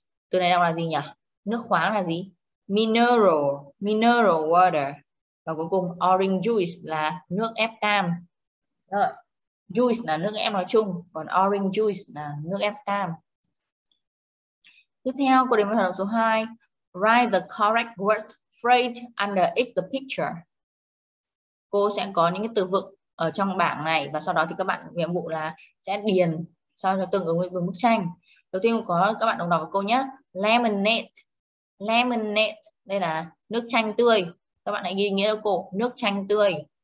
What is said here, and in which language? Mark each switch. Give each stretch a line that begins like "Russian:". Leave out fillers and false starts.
Vietnamese: Từ này đọc là gì nhỉ? Nước khoáng là gì? Mineral water. Và cuối cùng orange juice là nước ép cam. Rồi. Juice là nước ép nói chung, còn orange juice là nước ép cam. Tiếp theo, câu điểm thoại số 2.
English: Write the correct word phrase under each the picture.
Vietnamese: Cô sẽ có những cái từ vựng ở trong bảng này và sau đó thì các bạn nhiệm vụ là sẽ điền sao cho tương ứng với bức tranh. Đầu tiên có các bạn đồng đọc với cô nhé. Lemonade. Lemonade. Đây là nước chanh tươi. Các bạn hãy ghi nghĩa cho cô. Nước chanh tươi.